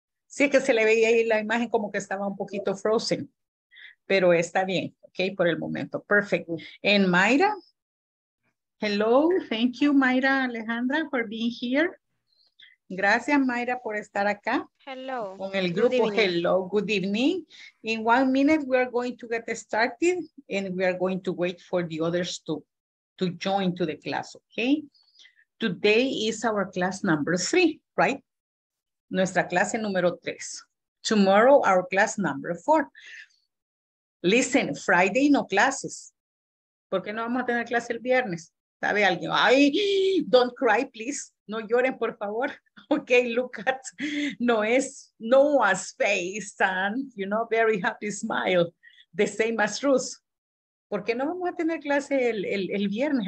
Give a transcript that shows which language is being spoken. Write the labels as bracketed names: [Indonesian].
[Spanish] Sí, es que se le veía ahí la imagen como que estaba un poquito frozen. Pero está bien, okay, por el momento. [English] Perfect. And Mayra? Hello, thank you, Mayra Alejandra, for being here. [Spanish] Gracias, Mayra, por estar acá. [English] Hello. [Spanish] Con el grupo. [English] Hello, good evening. In 1 minute, we are going to get started, and we are going to wait for the others to join to the class, okay? Today is our class number 3, right? [Spanish] Nuestra clase número 3. [English] Tomorrow, our class number 4. Listen, Friday no classes. [Spanish] ¿Por qué no vamos a tener clase el viernes? ¿Sabe alguien? Ay, [English] don't cry, please. [Spanish] No lloren, por favor. [English] Okay, look at Noah's face and, you know, very happy smile. The same as Ruth. [Spanish] ¿Por qué no vamos a tener clase el viernes?